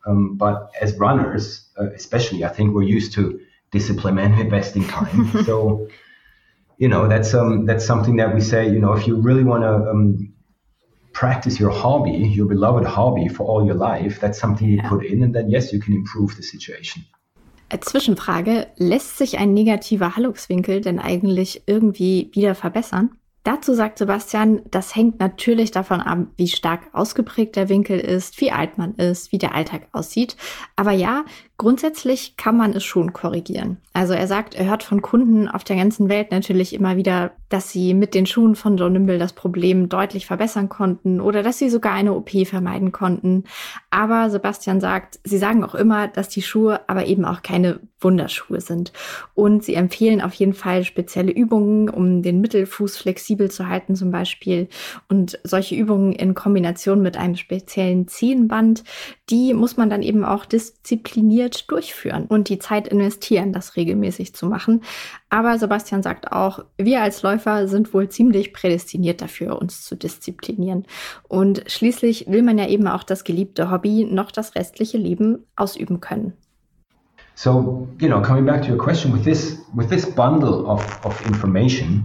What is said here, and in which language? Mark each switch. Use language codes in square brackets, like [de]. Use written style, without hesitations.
[en] But as runners, especially, I think we're used to discipline and investing time. So, you know, that's something that we say, you know, if you really want to practice your hobby, your beloved hobby for all your life, that's something you put in. And then, yes, you can improve the situation. [de] Zwischenfrage, lässt sich ein negativer Halluxwinkel denn eigentlich irgendwie wieder verbessern? Dazu sagt Sebastian, das hängt natürlich davon ab, wie stark ausgeprägt der Winkel ist, wie alt man ist, wie der Alltag aussieht. Aber ja, grundsätzlich kann man es schon korrigieren. Also er sagt, er hört von Kunden auf der ganzen Welt natürlich immer wieder, dass sie mit den Schuhen von Joe Nimble das Problem deutlich verbessern konnten oder dass sie sogar eine OP vermeiden konnten. Aber Sebastian sagt, sie sagen auch immer, dass die Schuhe aber eben auch keine Wunderschuhe sind. Und sie empfehlen auf jeden Fall spezielle Übungen, um den Mittelfuß flexibel zu halten zum Beispiel. Und solche Übungen in Kombination mit einem speziellen Zehenband, die muss man dann eben auch diszipliniert durchführen und die Zeit investieren, das regelmäßig zu machen. Aber Sebastian sagt auch, wir als Läufer sind wohl ziemlich prädestiniert dafür, uns zu disziplinieren. Und schließlich will man ja eben auch das geliebte Hobby noch das restliche Leben ausüben können. [en] So, you know, coming back to your question, with this bundle of information,